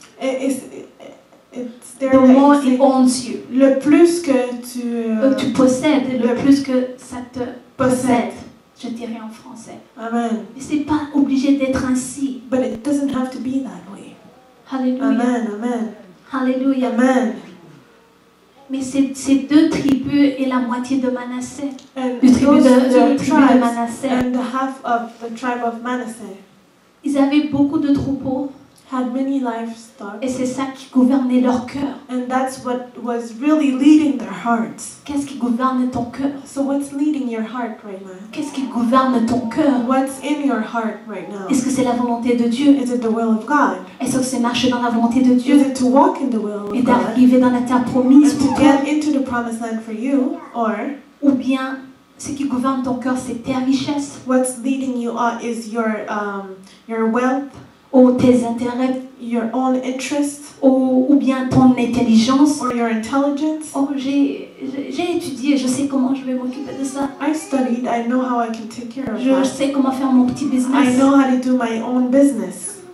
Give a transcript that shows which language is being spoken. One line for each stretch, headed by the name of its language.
English: It owns you.
French: Le plus que tu possèdes, le plus que ça te possède. Je dirais en français. Amen. Mais c'est pas obligé d'être ainsi.
English: But it doesn't have to be that way. Hallelujah. Amen. Amen. Hallelujah. Amen.
French: Mais ces deux tribus et la moitié de Manassé.
English: And the tribe of Manassé. And the half of the tribe of Manassé.
French: Ils avaient beaucoup de troupeaux.
English: Had many livestock.
French: Et c'est ça qui gouvernait leur cœur.
English: And that's what was really leading their hearts.
French: Qu'est-ce qui gouverne ton cœur?
English: So what's leading your heart right now?
French: Qu'est-ce qui gouverne ton cœur?
English: What's in your heart right now?
French: Est-ce que c'est la volonté de Dieu?
English: Is it the will of God?
French: Est-ce que c'est marcher dans la volonté de Dieu?
English: Is it to walk in the will of God?
French: Et d'arriver dans la terre promise pour toi?
English: To get into the promised land for you? Or?
French: Ou bien ce qui gouverne ton cœur, c'est tes richesses?
English: What's leading you on is your wealth?
French: Ou tes intérêts,
English: your own interests,
French: ou bien ton intelligence,
English: or your intelligence.
French: Oh, j'ai étudié, je sais comment je vais m'occuper de ça.
English: I studied, I know how I can take care of.
French: Je sais comment faire mon petit business.
English: I know how to do my own business.